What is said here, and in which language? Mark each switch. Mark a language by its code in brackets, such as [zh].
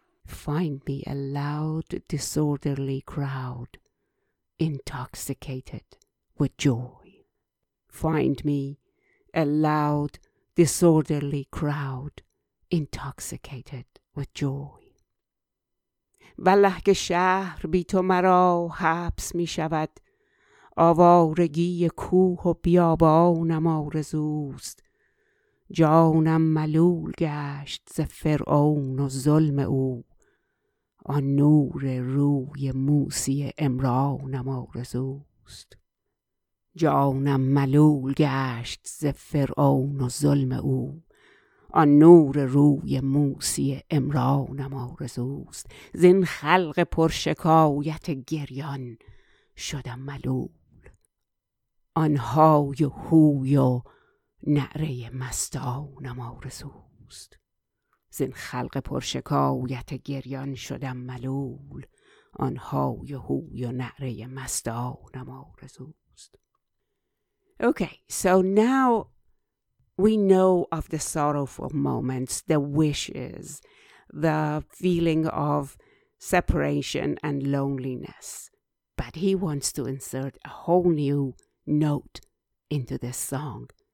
[en] Find me a loud, disorderly crowd, intoxicated with joy. Find me a loud, disorderly crowd, intoxicated with joy. [fa] وله که شهر بی تو مرا حبس می شود. آوارگی کوه و بیابانم آرزوست. جانم ملول گشت ز فرعون و ظلم او. آن نور روی موسی عمرانم آرزوست. جانم ملول گشت ز فرعون و ظلم او. آن نور روی موسی عمرانم آرزوست. زین خلق پرشکایت گریان شدم ملول. آنهای هوی و نعره مستانم آرزوست. زین خلق پرشکایت گریان شدم ملول. آنهای هوی و نعره مستانم آرزوست. [en] Okay, so now we know of the sorrowful moments, the wishes, the feeling of separation and loneliness. But he wants to insert a whole new note into this song.